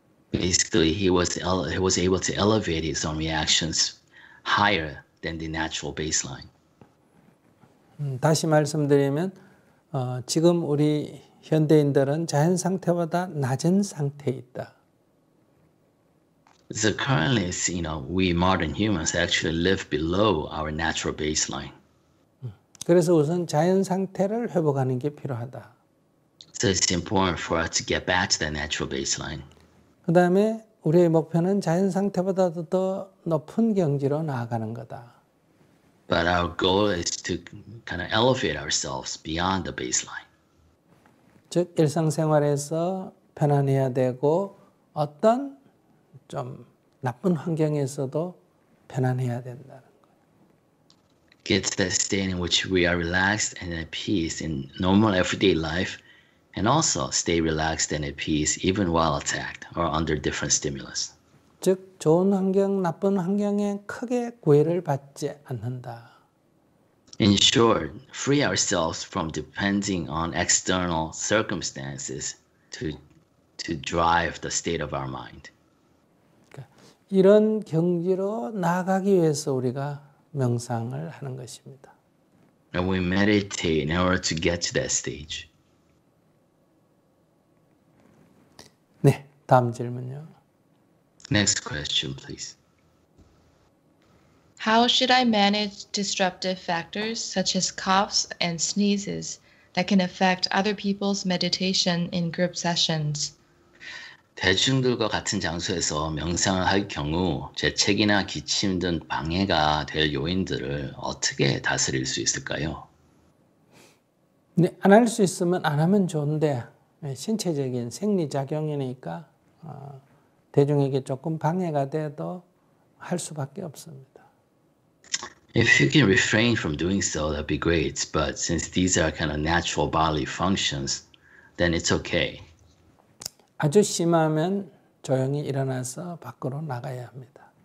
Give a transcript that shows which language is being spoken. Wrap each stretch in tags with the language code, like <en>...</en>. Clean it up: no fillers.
<en>Basically, he was able to elevate his own reactions higher than the natural baseline.</en> <ko>다시 말씀드리면, 지금 우리 현대인들은 자연 상태보다 낮은 상태에 있다.</ko> <en>So currently, you know, we modern humans actually live below our natural baseline.</en> <ko>그래서 우선 자연 상태를 회복하는 게 필요하다.</ko> <en>So it's important for us to get back to the natural baseline.</en> <ko>그 다음에 우리의 목표는 자연 상태보다도 더 높은 경지로 나아가는 거다.</ko> <en>But our goal is to kind of elevate ourselves beyond the baseline.</en> <ko>즉 일상생활에서 편안해야 되고 어떤 좀 나쁜 환경에서도 편안해야 된다는 거.</ko> <en>Get to that state in which we are relaxed and at peace in normal everyday life. And also stay relaxed and at peace even while attacked or under different stimulus.</en> <ko>즉 좋은 환경, 나쁜 환경에 크게 구애를 받지 않는다.</ko> <en>In short, free ourselves from depending on external circumstances to drive the state of our mind.</en> <ko>그러니까 이런 경지로 나아가기 위해서 우리가 명상을 하는 것입니다.</ko> <en>And we meditate in order to get to that stage.</en> <ko>네, 다음 질문요.</ko> <en>Next question, please. How should I manage disruptive factors such as coughs and sneezes that can affect other people's meditation in group sessions?</en> <ko>대중들과 같은 장소에서 명상을 할 경우 재채기나 기침 등 방해가 될 요인들을 어떻게 다스릴 수 있을까요? 네, 안 할 수 있으면 안 하면 좋은데 신체적인 생리 작용이니까 대중에게 조금 방해가 돼도 할 수밖에 없습니다.</ko> <en>If you can refrain from doing so, that'd be great. But since these are kind of natural bodily functions, then it's okay.</en> <ko>아주 심하면 조용히 일어나서 밖으로 나가야 합니다.</ko>